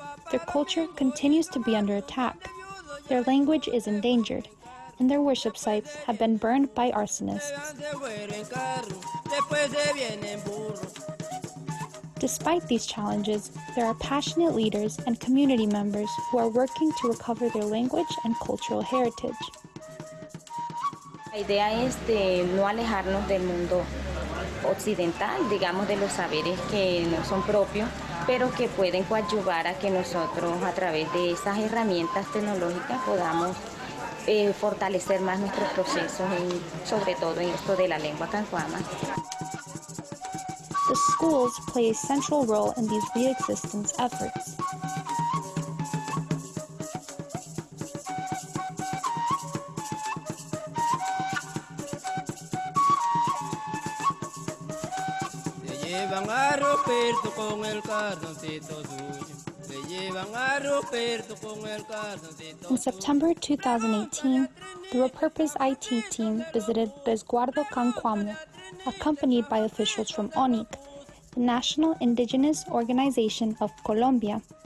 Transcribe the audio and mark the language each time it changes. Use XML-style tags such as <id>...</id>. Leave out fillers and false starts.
<en>Their culture continues to be under attack, their language is endangered, and their worship sites have been burned by arsonists. Despite these challenges, there are passionate leaders and community members who are working to recover their language and cultural heritage.</en> <es>La idea es de no alejarnos del mundo occidental, digamos de los saberes que no son propios, pero que pueden coadyuvar a que nosotros a través de esas herramientas tecnológicas podamos fortalecer más nuestros procesos, y sobre todo en esto de la lengua cancuama.</es> <en>The schools play a central role in these re-existence efforts.</en> <es>Se llevan a Roberto con el carroncito suyo.</es> <en>In September 2018, the Repurpose-It team visited Desguardo Cancuamo, accompanied by officials from ONIC, the National Indigenous Organization of Colombia.</en>